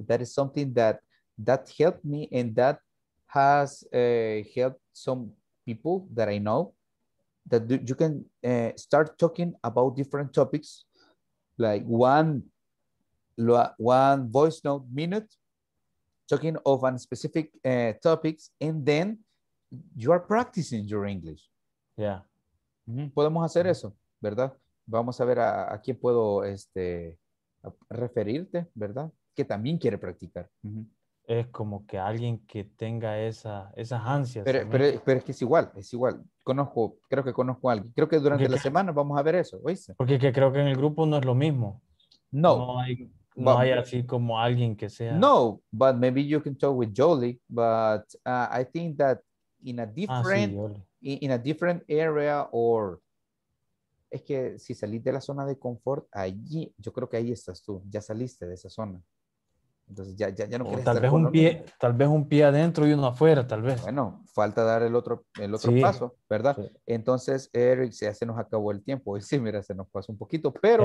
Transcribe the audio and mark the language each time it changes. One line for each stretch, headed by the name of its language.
English: That is something that helped me and that has helped some people that I know, that you can start talking about different topics, like one voice note minute, talking of a specific topics, and then you are practicing your English. Yeah.
Spanish: Mm-hmm. Podemos hacer eso, ¿verdad? Vamos a ver a quién puedo referirte, ¿verdad? Que también quiere practicar. Uh-huh. Es como que alguien que tenga esas ansias. Pero es que es igual. Creo que conozco a alguien. Creo que durante la semana vamos a ver eso, ¿oíste? Porque que creo que en el grupo no es lo mismo. No. No hay así como alguien que sea.
English: No, but maybe you can talk with Jolie, but I think that in a different area or...
Spanish: Es que si salís de la zona de confort, allí, yo creo que ahí estás tú. Ya saliste de esa zona. Entonces ya no quieres estar con pie, tal vez un pie adentro y uno afuera, tal vez. Bueno, falta dar el otro sí. paso, ¿verdad? Sí. Entonces, Eric, ya se nos acabó el tiempo. Sí, mira, se nos pasó un poquito, pero...